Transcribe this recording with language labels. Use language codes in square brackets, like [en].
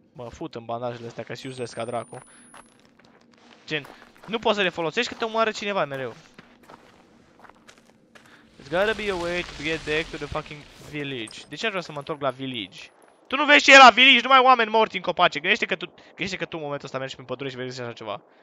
[ro] Mă fut în bandajele astea, că-s useless ca dracu. Gen, nu poți să le folosești, că te omoară cineva mereu. [en] There's gotta be a way to get back to the fucking village. [ro] De ce aș vrea să mă întorc la village? Tu nu vezi ce e la village? Numai oameni morți în copace. Gândește că tu în momentul ăsta mergi prin pădure și vezi așa ceva.